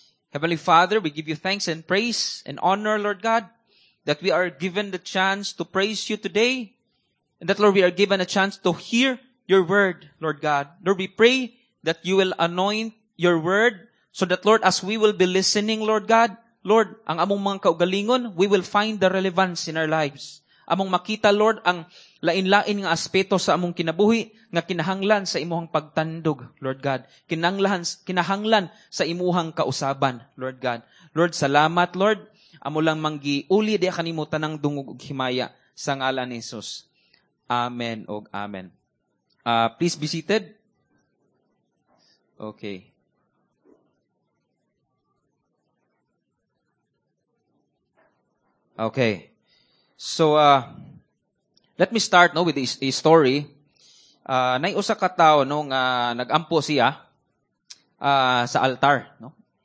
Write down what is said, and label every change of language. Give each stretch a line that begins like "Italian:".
English: Heavenly Father, we give you thanks and praise and honor, Lord God, that we are given the chance to praise you today, and that, Lord, we are given a chance to hear your word, Lord God. Lord, we pray that you will anoint your word so that, Lord, as we will be listening, Lord God, Lord,
Cebuano: ang among mga kaugalingon,
English: we will find the relevance in our lives.
Cebuano: Among makita, Lord, ang lain-lain nga aspeto sa among kinabuhi nga kinahanglan sa imuhang pagtandog, Lord God. Kinahanglan sa imuhang kausaban, Lord God. Lord, salamat, Lord. Amo lang manggi uli di kanimo tanang dungog ug himaya sa ngalan ni Jesus.
English: Amen og amen. Please be seated. Okay. Okay. So let me start no with this story.
Cebuano: Nay usa ka tawo no nga nagampo siya sa altar, no?